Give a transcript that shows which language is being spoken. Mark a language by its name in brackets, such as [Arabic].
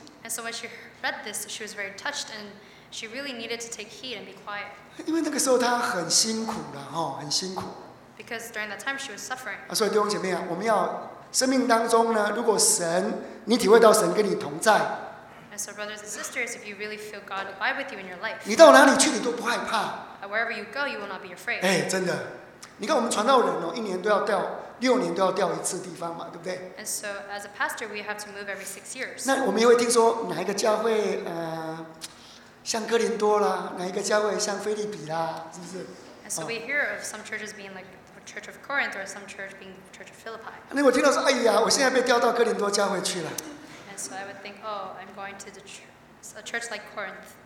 [English] And so when she read this, she was very touched, and she really needed to take heed and be quiet. [Chinese] 因为那个时候她很辛苦的，很辛苦。 [English] Because during that time she was suffering. [Chinese] 所以弟兄姐妹啊，我们要生命当中呢，如果神，你体会到神跟你同在。 [English] And so brothers and sisters, if you really feel God abide with you in your life. [Chinese] 你到哪里去，你都不害怕。 [English] Wherever you go, you will not be afraid. [Chinese] 真的。你看我们传道人哦，一年都要调，六年都要调一次地方嘛，对不对 [English] ？And so as a pastor, we have to move every six years. [Chinese] 那我们也会听说哪一个教会，像哥林多啦，哪一个教会像菲利比啦，是不是 [English] ？And so we hear of some churches being like the Church of Corinth or some church being the Church of Philippi. [Chinese] 那我听到说，哎呀，我现在被调到哥林多教会去了。 [English] And so I would think, oh, I'm going to the church like Corinth.